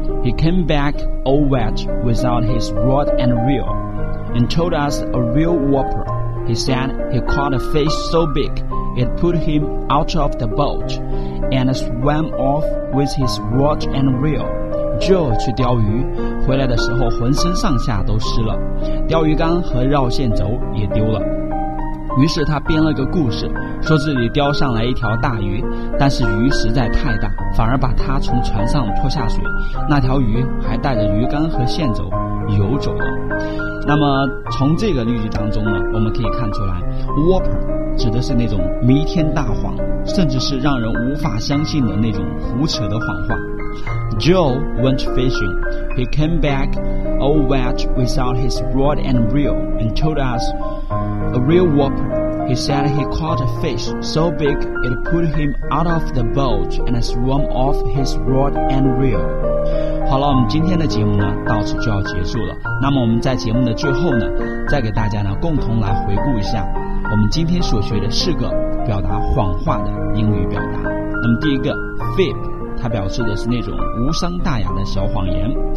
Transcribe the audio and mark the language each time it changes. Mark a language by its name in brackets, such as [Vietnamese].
[English] He came back all wet without his rod and reel and told us a real Whopper. He said he caught a fish so big it put him out of the boat and swam off with his rod and reel. [Chinese] Joe 去钓鱼，回来的时候浑身上下都湿了，钓鱼竿和绕线轴也丢了。于是他编了个故事，说自己钓上来一条大鱼，但是鱼实在太大，反而把他从船上拖下水，那条鱼还带着鱼竿和线轴游走了。那么从这个例子当中呢，我们可以看出来 Whopper 指的是那种弥天大谎，甚至是让人无法相信的那种胡扯的谎话。 [English] Joe went fishing. He came back all wet without his rod and reel and told us a real whopper. He said he caught a fish so big it put him out of the boat and swam off his rod and reel. [Chinese] 好了，我们今天的节目呢到此就要结束了。那么我们在节目的最后呢，再给大家呢共同来回顾一下我们今天所学的四个表达谎话的英语表达。那么第一个 fib，它表示的是那种无伤大雅的小谎言。